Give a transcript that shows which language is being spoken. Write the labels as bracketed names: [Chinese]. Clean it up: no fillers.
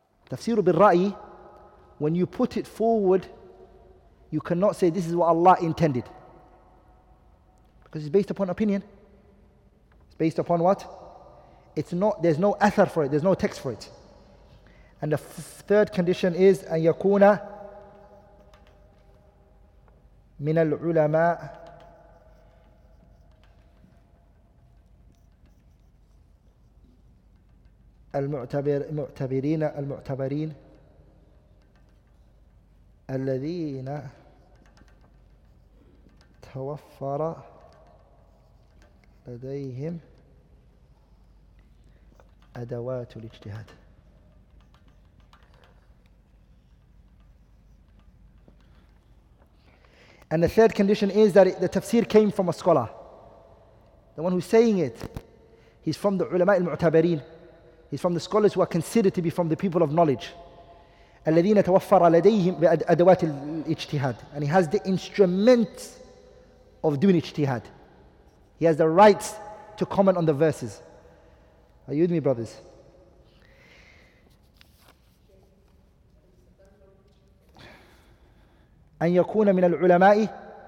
[English] Tafsir بالرأي, when you put it forward, you cannot say this is what Allah intended. Because it's based upon opinion. It's based upon what? It's not, there's no athar for it, there's no text for it. And the third condition is [Arabic] أن يكون من العلماء المعتبرين الذين توفر لديهم أدوات الاجتهاد. [English] And the third condition is that the tafsir came from a scholar. The one who's saying it, he's from the ulama al-mu'tabareen. He's from the scholars who are considered to be from the people of knowledge. [Arabic] الذين توفر لديهم أدوات الاجتهاد. [English] And he has the instruments of doing ijtihad. He has the rights to comment on the verses. Are you with me, brothers? [Arabic] أن يكون من العلماء.